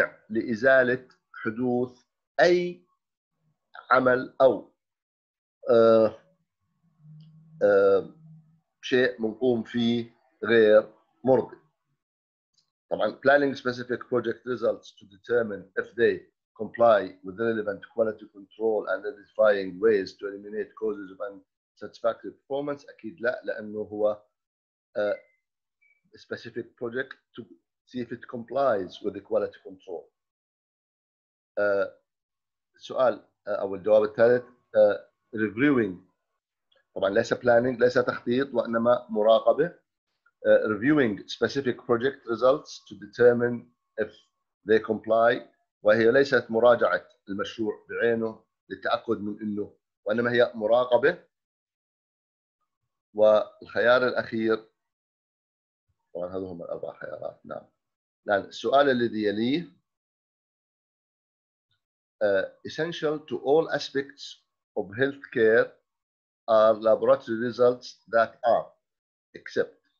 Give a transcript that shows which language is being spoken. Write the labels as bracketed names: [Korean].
[Arabic] لإزالة حدوث أي عمل أو شيء منقوم فيه غير مرضي. [English] طبعاً planning specific project results to determine if they comply with relevant quality control and identifying ways to eliminate causes of unsatisfactory performance. [Arabic] أكيد لا، لأنه هو [English] specific project to see if it complies with the quality control. [Arabic] سؤال أو الجواب الثالث: reviewing. طبعاً ليس planning، ليس تخطيط، وإنما مراقبة. [English] Reviewing specific project results to determine if they comply. [Arabic] وهي ليست مراجعة المشروع بعينه للتأكد من إنه، وإنما هي مراقبة. والخيار الأخير، طبعاً هذو هم الأربع خيارات. نعم. لأن السؤال الذي يليه: [English] essential to all aspects of healthcare are laboratory results that are except.